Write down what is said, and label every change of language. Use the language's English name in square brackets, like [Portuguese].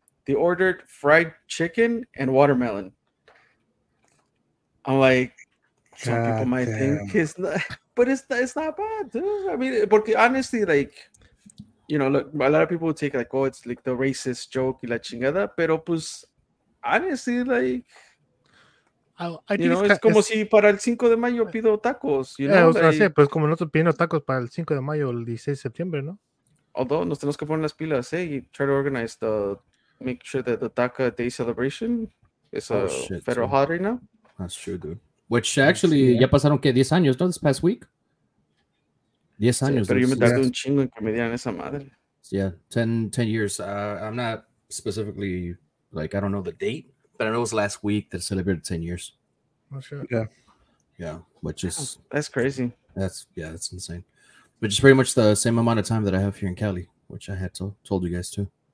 [English] They ordered fried chicken and watermelon. I'm like, some people might think it's not bad, dude. I mean, porque honestly, like, you know, look, a lot of people would take like, oh, it's like the racist joke [Spanish] y la chingada, pero pues, [English] honestly, it's [Spanish] si para el 5 de mayo pido tacos, pues como nosotros pidiendo tacos para el 5 de mayo, el 16 de septiembre, ¿no? [English] Although, [Spanish] nos tenemos que poner las pilas, y [English] try to organize the, make sure that the DACA Day celebration is federal holiday now. That's true, dude. Which, actually, [Spanish] ya pasaron, ¿qué? 10 años, ¿no? [English] This past week. [Spanish] 10 años. Sí, pero yo me tardé un chingo en que me dieran esa madre. [English] Yeah, 10 years. I'm not specifically... like, I don't know the date, but I know it was last week that celebrated 10 years. Oh, sure. Yeah, which is... that's crazy. That's insane. Which is pretty much the same amount of time that I have here in Cali, which I had told you guys too.